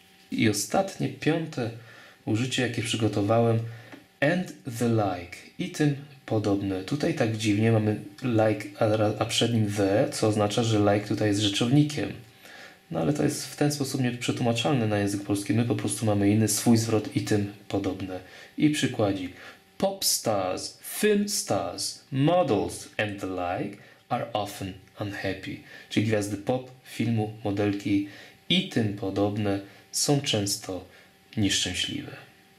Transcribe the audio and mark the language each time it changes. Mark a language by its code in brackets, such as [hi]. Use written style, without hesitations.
[pl] I ostatnie, piąte użycie, jakie przygotowałem, [en] and the like, [pl] i tym podobne. Tutaj tak dziwnie mamy like, a przed nim the, co oznacza, że like tutaj jest rzeczownikiem. No ale to jest w ten sposób nieprzetłumaczalne na język polski. My po prostu mamy inny swój zwrot i tym podobne. I przykładzik. [en] Pop stars, film stars, models and the like are often unhappy. [pl] Czyli gwiazdy pop, filmu, modelki i tym podobne są często nieszczęśliwe.